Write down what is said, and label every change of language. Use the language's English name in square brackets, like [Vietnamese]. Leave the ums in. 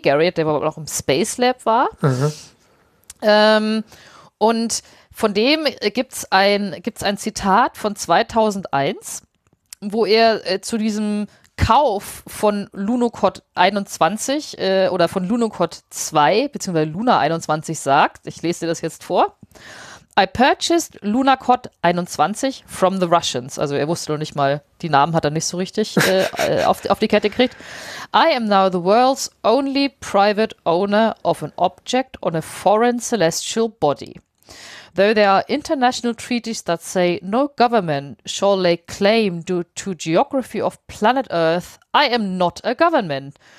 [German] Garriott, der aber auch im Space Lab war. Ähm, und von dem gibt es ein, gibt's ein Zitat von 2001, wo er äh, zu diesem Kauf von Lunocod 21 äh, oder von Lunocod 2 bzw. Luna 21 sagt, ich lese dir das jetzt vor. [English] I purchased Lunacod 21 from the Russians. [German] Also er wusste noch nicht mal, die Namen hat er nicht so richtig äh, äh, auf, auf die Kette gekriegt. [English] I am now the world's only private owner of an object on a foreign celestial body. Though there are international treaties that say no government shall lay claim to, to geography of planet Earth, I am not a government.